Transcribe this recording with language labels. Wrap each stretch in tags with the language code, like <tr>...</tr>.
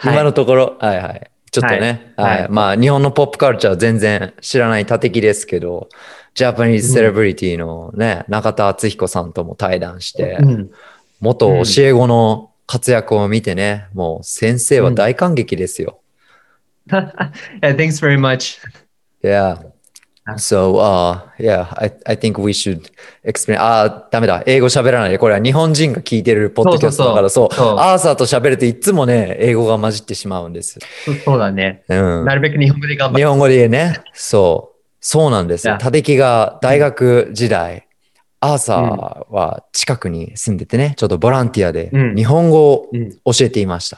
<ja>はい、今のところ、はいはい。ちょっとね、はいはい。まあ、日本のポップカルチャー全然知らない縦木ですけど、ジャパニーズセレブリティのね、うん、中田敦彦さんとも対談して、うん、元教え子の活躍を見てね、もう先生は大感激ですよ。</ja> <en>Yeah, thanks very much. Yeah. So, I think we should explain.</en> <ja>あ、ダメだ。英語喋らないで。これは日本人が聞いてるポッドキャストだから、そう。アーサーと喋るといつもね、英語が混じってしまうんです。そうだね。うん。なるべく日本語で頑張って。日本語でね。そう。そうなんです。タデキが大学時代、うん、アーサーは近くに住んでてね、ちょっとボランティアで日本語を教えていました。</ja>